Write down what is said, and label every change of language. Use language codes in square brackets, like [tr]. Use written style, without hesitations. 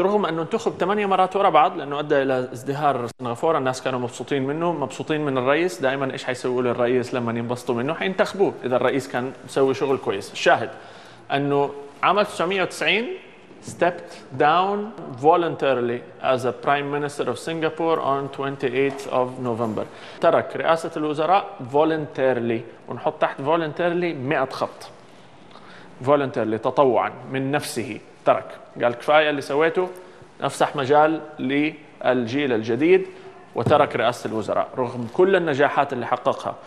[ar] رغم أنه انتخب 8 مرات وراء بعض لأنه أدى إلى ازدهار سنغافورة. الناس كانوا مبسوطين منه مبسوطين من الرئيس. دائما إيش حيسووا للرئيس لما ينبسطوا منه؟ حينتخبوه إذا الرئيس كان مسوي شغل كويس. الشاهد أنه عام [en] 1990 stepped down voluntarily as a prime minister of Singapore on 28th of November. [ar] ترك رئاسة الوزراء voluntarily. ونحط تحت voluntarily 100 خط. voluntarily تطوعا من نفسه ترك. قال كفاية اللي سويته نفسح مجال للجيل الجديد وترك رئاسة الوزراء رغم كل النجاحات اللي حققها.